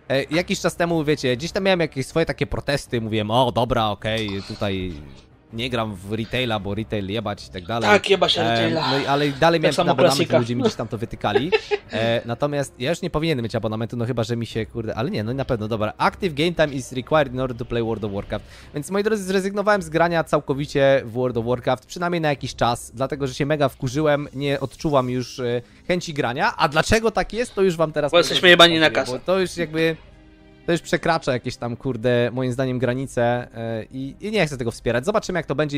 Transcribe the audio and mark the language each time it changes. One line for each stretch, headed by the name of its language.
Polish: Jakiś czas temu, wiecie, gdzieś tam miałem jakieś swoje takie protesty, mówiłem, o dobra, okej, okay, tutaj nie gram w retaila, bo retail jebać i tak dalej. Tak, jeba się retaila. No, ale dalej miałem ten abonament, ludzie mi gdzieś tam to wytykali. Natomiast ja już nie powinienem mieć abonamentu, no chyba, że mi się, kurde, ale nie, no na pewno, dobra.
English: Active game time is required in order to play World of Warcraft.
Polish: Więc, moi drodzy, zrezygnowałem z grania całkowicie w World of Warcraft, przynajmniej na jakiś czas, dlatego, że się mega wkurzyłem, nie odczuwam już chęci grania. A dlaczego tak jest, to już wam teraz... Bo jesteśmy jebani na kasę. To już jakby... To już przekracza jakieś tam, kurde, moim zdaniem granice i nie chcę tego wspierać. Zobaczymy, jak to będzie.